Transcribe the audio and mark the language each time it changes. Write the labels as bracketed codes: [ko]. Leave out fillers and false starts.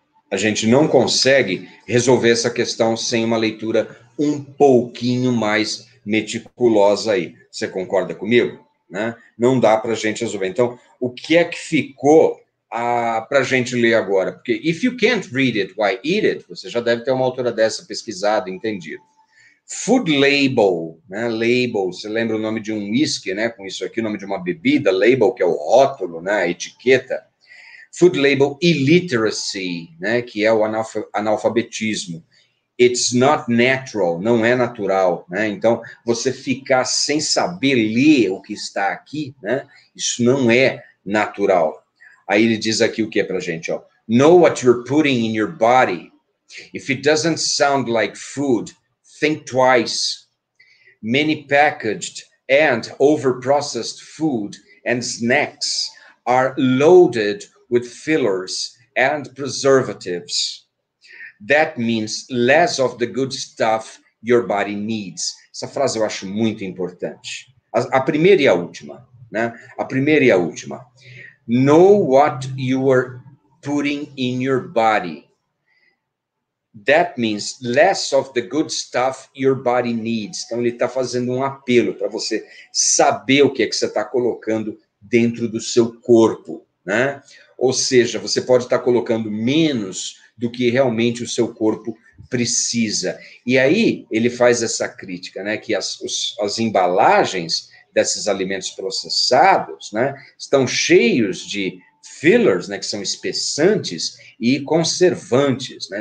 [pt] A gente não consegue resolver essa questão sem uma leitura um pouquinho mais meticulosa aí. Você concorda comigo? Né? Não dá para a gente resolver. Então, o que é que ficou para a gente ler agora? Porque [en] if you can't read it, why eat it? [pt] Você já deve ter uma autora dessa pesquisada, entendido. Food label, né? Label, você lembra o nome de um whisky, né? Com isso aqui, o nome de uma bebida, label, que é o rótulo, né? A etiqueta. [en] Food label illiteracy, [pt] né? Que é o analfabetismo. [en] It's not natural, [pt] não é natural, né? Então, você ficar sem saber ler o que está aqui, né? Isso não é natural. Aí ele diz aqui o que é pra gente, ó. [en] Know what you're putting in your body. If it doesn't sound like food, think twice. Many packaged and overprocessed food and snacks are loaded with fillers and preservatives. That means less of the good stuff your body needs. [pt] Essa frase eu acho muito importante. A primeira e a última, né? A primeira e a última. [en] Know what you are putting in your body. That means less of the good stuff your body needs. [pt] Então, ele está fazendo um apelo para você saber o que é que você está colocando dentro do seu corpo, né? Ou seja, você pode estar colocando menos do que realmente o seu corpo precisa. E aí, ele faz essa crítica, né? Que as embalagens desses alimentos processados, né, estão cheios de fillers, né, que são espessantes e conservantes, né?